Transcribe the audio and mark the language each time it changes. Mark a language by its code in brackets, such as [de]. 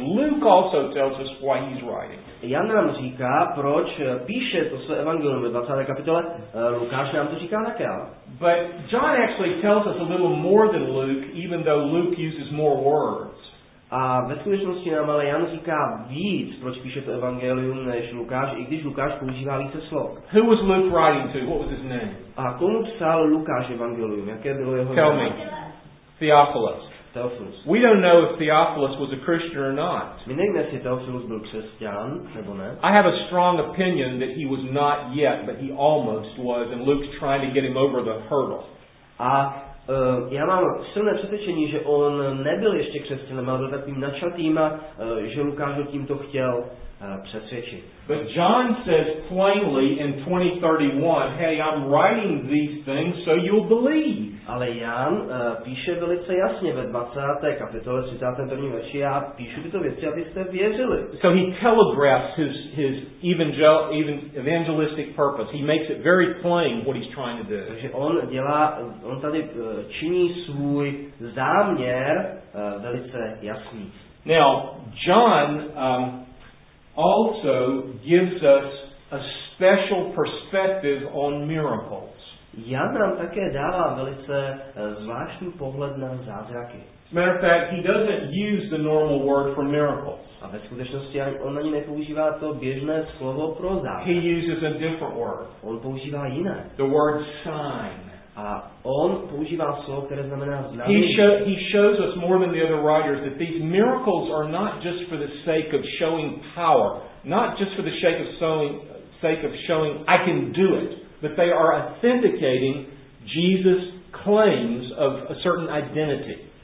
[en] Luke also tells us why he's writing. [cs] Jan nám říká, proč píše to své evangelium ve 20. kapitole. Lukáš nám to říká také. [en] But John actually tells us a little more than Luke, even though Luke uses more words. [cs] A ve skutečnosti nám ale Jan říká víc, proč píše to evangelium, než Lukáš, i když Lukáš používá více slov. [en] Who was Luke writing to? What was his name? [cs] A komu psal Lukáš evangelium? Jaké bylo jeho [en] Tell [cs] jméno? [en] Me. Theophilus. [cs] Theophilus. [en] We don't know if Theophilus was a Christian or not. [cs] My nevíme, jestli Theophilus byl křesťan, nebo ne. [en] I have a strong opinion that he was not yet, but he almost was, and Luke's trying to get him over the hurdle. [cs] A já mám silné přesvědčení, že on nebyl ještě křesťanem, ale byl takovým načatým, že Lukáš ho tímto chtěl přesvědčit. [en] But John says plainly in 20:31, hey, I'm writing these things so you'll believe. [cs] Ale Jan píše velice jasně ve 20. kapitole 31. verši, já píšu tyto věci, abyste věřili. [en] So he telegraphs his evangelistic purpose. He makes it very plain what he's trying to do. [cs] Takže on dělá, on tady činí svůj záměr velice jasný. [en] Now, John also gives us a special perspective on miracles. [cs] Jan nám také dává velice zvláštní pohled na zázraky. [en] As a matter of fact, he doesn't use the normal word for miracles. [cs] A ve skutečnosti on ani nepoužívá to běžné slovo pro zázraky. [en] He uses a different word. [cs] On používá jiné. [en] The word sign. [cs] A on používá slovo, které znamená znamení. [en] He shows us more than the other writers that these miracles are not just for the sake of showing power, not just for the sake of showing I can do it, but they are authenticating Jesus' claims of a certain identity.